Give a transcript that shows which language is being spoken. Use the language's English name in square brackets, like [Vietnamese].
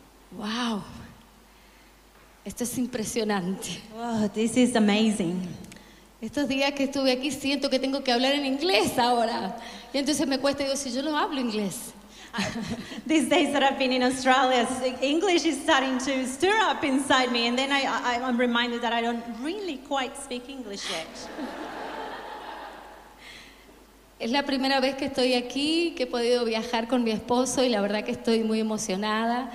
[Spanish] Wow, esto es impresionante. [English] Wow, this is amazing. [Spanish] Estos días que estuve aquí siento que tengo que hablar en inglés ahora. Y entonces me cuesta, digo, si yo no hablo inglés. [English] These days that I've been in Australia, English is starting to stir up inside me. And then I'm reminded that I don't really quite speak English yet. [Spanish] Es la primera vez que estoy aquí, que he podido viajar con mi esposo y la verdad que estoy muy emocionada.